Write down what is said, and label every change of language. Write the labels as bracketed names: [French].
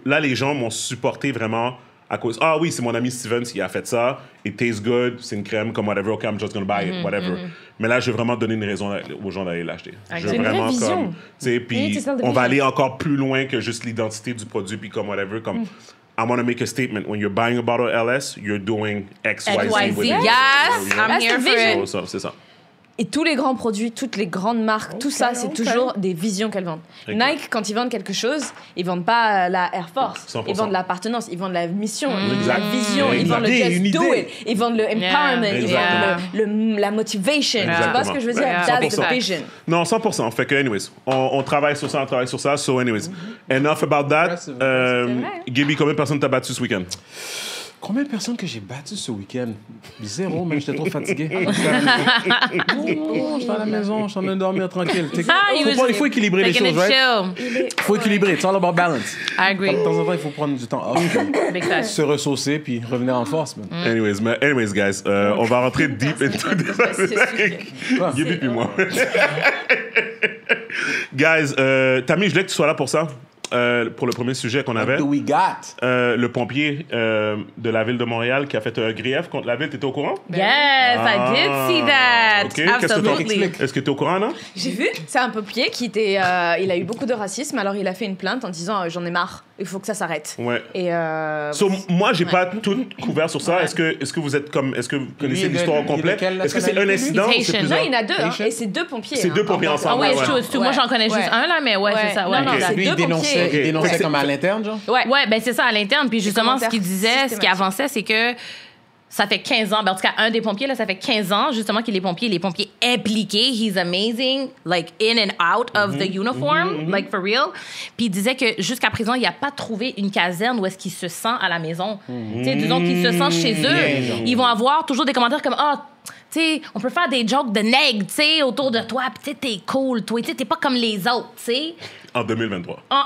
[French] Là, les gens m'ont supporté vraiment à cause. Ah oui, c'est mon ami Steven qui a fait ça. [English] It tastes good. [French] C'est une crème comme [English] whatever. Okay, I'm just gonna buy it. Mm-hmm. Whatever. Mm-hmm. [French] Mais là, je vais vraiment donner une raison aux gens d'aller l'acheter. [English] Okay. [French] Je veux vraiment vision. Comme. Tu sais, puis on va aller encore plus loin que juste l'identité du produit, puis comme whatever. [English] Comme. Mm. I want to make a statement. When you're buying a bottle of LS, you're doing XYZ with it. Yes, I'm here for it. [French] So, c'est ça. Et tous les grands produits, toutes les grandes marques, okay, tout ça, c'est toujours des visions qu'elles vendent. Exactement. Nike, quand ils vendent quelque chose, ils ne vendent pas la Air Force. 100%. Ils vendent l'appartenance, ils vendent la mission, la vision, ils vendent le just do it. Ils vendent le empowerment, ils vendent la motivation. Exactement. Tu vois ce que je veux dire? [English] That is the vision. Non, 100%. [French] Fait que, anyways, on travaille sur ça, on travaille sur ça. [English] So, anyways, enough about that. [French] Gibby, combien de personnes t'as battu ce week-end? Combien de personnes que j'ai battu ce week-end? Zéro, mais j'étais trop fatigué. Non, je suis à la maison, je suis en train de dormir tranquille. Il faut équilibrer les choses, right? [English] Chill. [French] Il faut équilibrer, [English] it's all about balance. I agree. [French] De temps en temps, il faut prendre du temps off, se ressourcer, puis revenir en force. [English] Man. Mm. [French] Anyways, guys, on va rentrer [English] deep into this. [French] Gibby puis moi. Guys, Tammy, je voulais que tu sois là pour ça. Pour le premier sujet qu'on avait. [English] What do we got? [French] Le pompier de la ville de Montréal qui a fait un grief contre la ville. T'étais au courant? [English] Yes, I did see that. [French] Okay. Est-ce que t'es au courant, non? J'ai vu. C'est un pompier qui était... il a eu beaucoup de racisme. Alors, il a fait une plainte en disant « J'en ai marre. Il faut que ça s'arrête. » Ouais. Et moi, j'ai pas tout couvert sur ça. Est-ce que vous êtes comme... Est-ce que vous connaissez l'histoire au complet? Est-ce que c'est un incident? Non, il y en a deux. Hein? Et c'est deux pompiers. C'est deux pompiers ensemble. Ouais, moi, j'en connais juste un, là, mais ouais, c'est ça. Non, non, okay. Il dénonçait comme à l'interne, genre? Ouais, ouais, ben c'est ça, à l'interne. Puis justement, ce qu'il disait, ce qu'il avançait, c'est que ça fait 15 ans, ben en tout cas, un des pompiers, là, ça fait 15 ans, justement, qu'il est pompier. Il est pompier impliqué. [English] He's amazing, like, in and out of the uniform, like, for real. [French] Puis il disait que jusqu'à présent, il n'a pas trouvé une caserne où est-ce qu'il se sent à la maison. Tu sais, disons qu'il se sent chez eux. Yeah, ils vont avoir toujours des commentaires comme, oh, tu sais, on peut faire des jokes de nègre, tu sais, autour de toi, puis tu sais, t'es cool, toi, tu sais, t'es pas comme les autres, tu sais. En 2023.